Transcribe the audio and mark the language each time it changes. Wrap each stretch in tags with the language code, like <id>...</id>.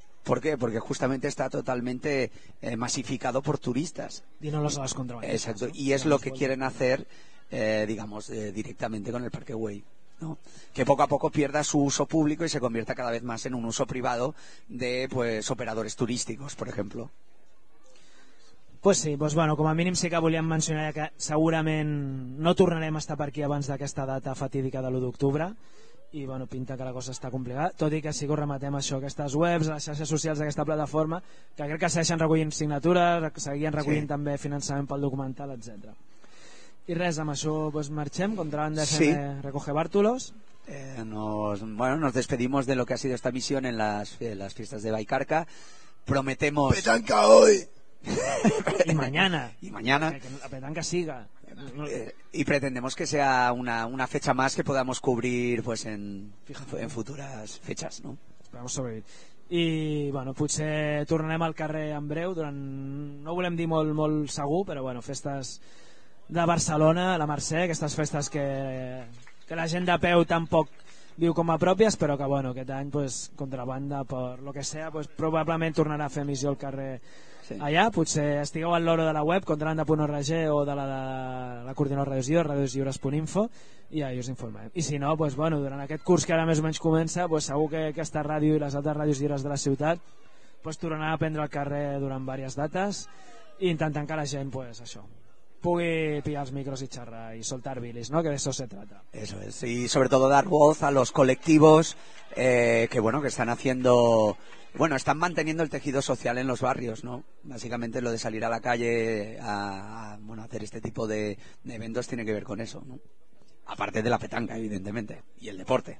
<es>¿Por qué? Porque justamente está totalmente masificado por turistas. Dínoslo a los contrabandistas. Exacto, y es lo que quieren hacer, directamente con el Parkway, ¿no? Que poco a poco pierda su uso público y se convierta cada vez más en un uso privado de, pues, operadores turísticos, por ejemplo.</es> <ca>Pues sí, pues bueno, com a mínim sí que volíem mencionar que segurament no tornarem a estar per aquí abans d'aquesta data fatídica de l'1 d'octubre. I bueno, pinta que la cosa està complicada, tot i que sí que ho rematem això, aquestes webs, les xarxes socials d'aquesta plataforma, que crec que segueixen recollint signatures, seguien recollint, sí, també finançament pel documental, etc. I res, amb això pues marxem, contrabanda FM, sí,</ca> <es>recoge Bártulos. Nos despedimos de lo que ha sido esta misión en las fiestas de Baicarca. Prometemos... ¡Petanca hoy! Y mañana. Y mañana. Que la petanca siga. Y pretendemos que sea una fecha más que podamos cubrir, pues, en futuras fechas, ¿no? Esperamos sobrevivir.</es> <ca>Y bueno, potser tornarem al carrer en breu durant, no volem dir molt, molt segur, però bueno, festes de Barcelona, la Mercè, aquestes festes que la gent de peu tampoc viu com a pròpies, però que bueno, aquest any, pues, contrabanda,</ca> <es>per lo que sea,</es> <ca>pues, probablement tornarà a fer emissió al carrer Sí. Allà potser estigueu al loro de la web contrabanda.org o de la coordinadora Radio Lliure, radioslliures.info, i allà us informem. I si no, pues, bueno, durant aquest curs que ara més o menys comença, pues, segur que aquesta ràdio i les altres ràdios lliures de la ciutat pues, tornarà a prendre el carrer durant diverses dates i intentant que la gent pues, això, pugui pillar els micros i xerrar i soltar bilis, no? Que d'això</ca> <es>se trata. Eso es. Y sobre todo dar voz a los colectivos que, bueno, que están haciendo... Bueno, están manteniendo el tejido social en los barrios, ¿no? Básicamente lo de salir a la calle a hacer este tipo de eventos tiene que ver con eso, ¿no? Aparte de la petanca, evidentemente, y el deporte.</es>